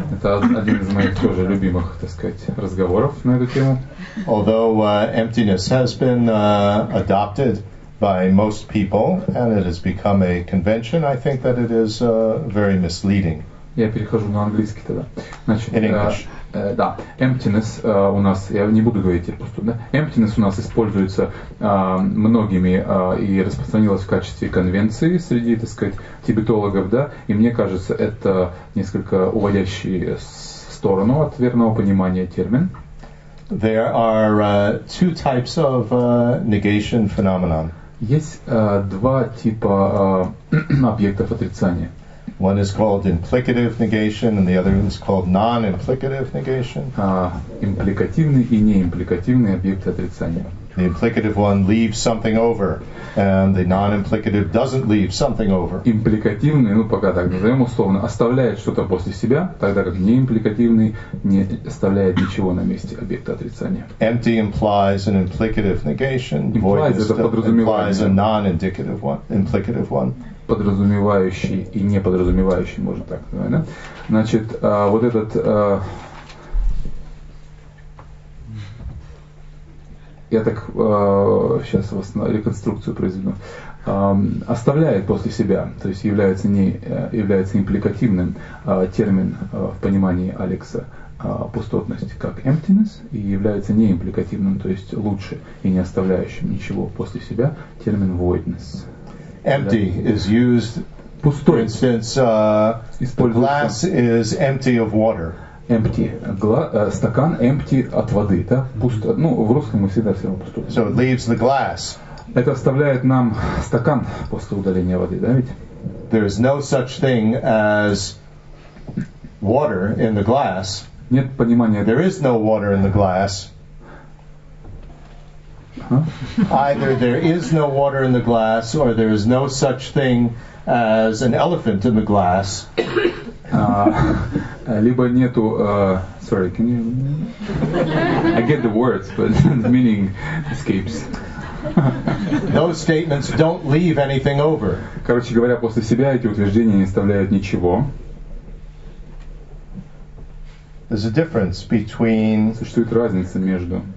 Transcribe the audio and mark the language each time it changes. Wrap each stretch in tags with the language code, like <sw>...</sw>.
<ru>Это один из моих тоже любимых, так сказать, разговоров на эту тему.</ru> <en>Although emptiness has been adopted by most people, and it has become a convention, I think that it is very misleading.</en> <ru>Я перехожу на английский тогда. Значит,</ru> <en>in English.</en> <ru>Да, emptiness у нас, я не буду говорить теперь просто, да, emptiness у нас используется многими и распространилась в качестве конвенции среди, так сказать, тибетологов, да, и мне кажется, это несколько уводящий в сторону от верного понимания термин.</ru> <en>There are two types of negation phenomenon.</en> <ru>Есть два типа объектов отрицания.</ru> <en>One is called implicative negation, and the other is called non-implicative negation.</en> <ru>Импликативные и неимпликативные объекты отрицания.</ru> <en>The implicative one leaves something over, and the non-implicative doesn't leave something over.</en> <ru>Импликативный, ну пока так назовем условно, оставляет что-то после себя, тогда как неимпликативный не оставляет ничего на месте объекта отрицания.</ru> <en>Empty implies an implicative negation. Implies a non-indicative one, implicative one.</en> <ru>Подразумевающий и неподразумевающий, можно так сказать, да? Значит, вот этот я так сейчас реконструкцию произведу, оставляет после себя, то есть является не является импликативным термин в понимании Алекса пустотность как emptiness и является неимпликативным, то есть лучше и не оставляющим ничего после себя термин voidness.</ru> <en>Empty is used.</en> <ru>Пустой.</ru> <en>For instance, the glass is empty of water.</en> <ru>Empty. Стакан empty от воды, да? Пусто. Ну, в русском мы всегда все равно пустой.</ru> <en>So it leaves the glass.</en> <ru>Это оставляет нам стакан после удаления воды, да ведь?</ru> <en>There is no such thing as water in the glass.</en> <ru>Нет понимания.</ru> <en>There is no water in the glass. Huh? Either there is no water in the glass, or there is no such thing as an elephant in the glass.</en> <ru>Либо нету.</ru> <en>Sorry, can you? I get the words, but the meaning escapes. Those statements don't leave anything over.</en> <ru>Короче говоря, после себя эти утверждения не оставляют ничего.</ru> <en>There's a difference between</en> <ru>существует разница между</ru>